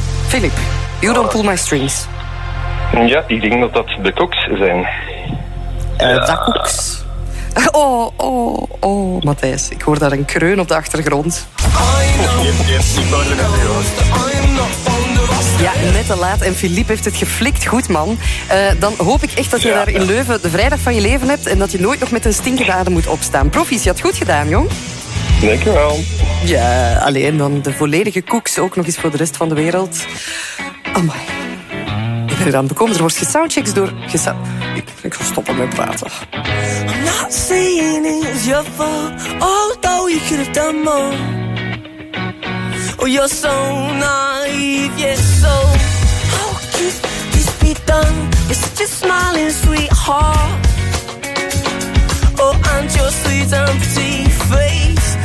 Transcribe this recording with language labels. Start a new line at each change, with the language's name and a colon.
English: Filip, you don't pull my strings.
Dutch: Ja, ik denk dat de Koks zijn. De Koks. Oh, Matthijs. Ik hoor daar een kreun op de achtergrond. Ja, net te laat. En Filip heeft het geflikt. Goed, man. Dan hoop ik echt dat je daar in Leuven de vrijdag van je leven hebt en dat je nooit nog met een stinkende adem moet opstaan. Proficiat, je had goed gedaan, jong. Dankjewel. Ja, alleen dan de volledige koeks ook nog eens voor de rest van de wereld. Amai. Ik ben er aan bekomen. Er wordt gesoundcheckt door... Ik ga stoppen met praten.
English: I'm not saying it's your fault, although you could have done more. Oh, you're so naive, yes, so how could this be done? You're such a smiling sweetheart. Oh, and your sweet empty face.